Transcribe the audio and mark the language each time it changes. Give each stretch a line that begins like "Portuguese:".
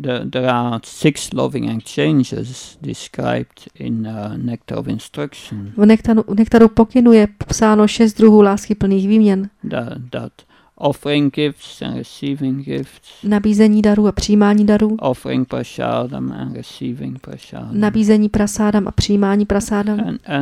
English: There are six loving exchanges described in Nectar of Instruction.
Czech: V nektaru pokynu je popsáno šest druhů láskyplných výměn.
English: That offering gifts and receiving gifts.
Czech: Nabízení darů a přijímání darů.
English: Offering prasadam and receiving prasadam.
Czech: Nabízení prasádam a přijímání prasádam.